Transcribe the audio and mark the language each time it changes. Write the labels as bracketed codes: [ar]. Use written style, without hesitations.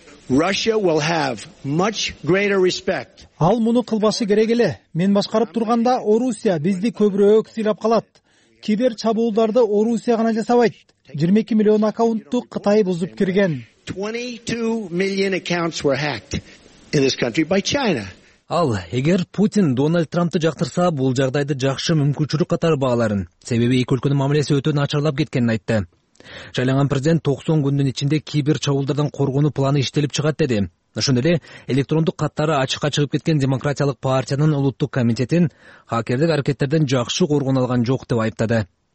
[en] Russia will have much greater respect. [ky] Ал муну кылбашы керек эле. Мен башкарып турганда Орусия бизди көбүрөөк сыйлап калат. Кибер чабуулдарды Орусия гана жасабайт. 22 миллион аккаунтту Кытай бузуп кирген. [en] 22 million accounts were hacked in this country by China. [ky] Ал эгер Путин Дональд Трампты жактырса, бул жагдайды жакшы мүмкүнчүлүк катар бааларын, себеби эки өлкөнүн мамилеси өтө начарлап кеткенин айтты. Шайланган президент 90 күндүн ичинде кибер чабуулдардан коргонуу планы иштелип чыгат деди. Ошондой эле электрондук каттары ачыкка чыгып кеткен Демократиялык партиянын улуттук комитетин хакердик аракеттерден жакшы коргоно алган жок деп айыптады.